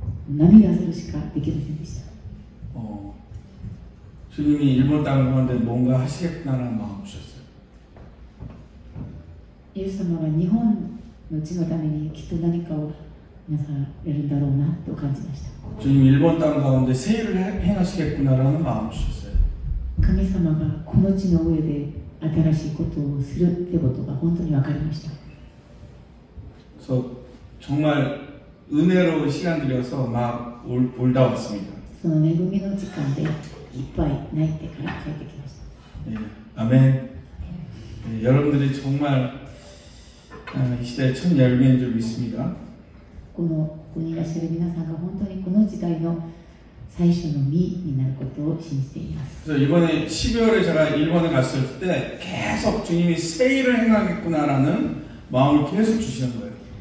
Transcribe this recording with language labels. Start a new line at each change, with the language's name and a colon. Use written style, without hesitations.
Japanese: その恵みがすごかったので、ただ涙するしかできませんでした。
Korean: 주님이 일본 땅을 보는데 뭔가 하시겠다는 마음 주셨어요.
Japanese: 예수様は日本の地のためにきっと何かを皆さんやるんだろうなと感じました。
Korean: 주님 일본 땅 가운데 세일을 행하시겠구나라는 마음을 주셨어요.
Japanese: 神様がこの地の上で新しいことをするってことが本当に分かりました。
Korean: 그래서 정말 은혜로운 시간 들여서 막 울다 왔습니다.
Japanese: その恵みの時間でいっぱい泣いてから帰ってきました。
Korean: 아멘. 예, 여러분들이 정말 이 시대의 첫 열매인 줄 믿습니다. 그래서 이번에 12월에 제가 일본을 갔을 때 계속 주님이 세일을 행하겠구나라는 마음을 계속 주시는 거예요.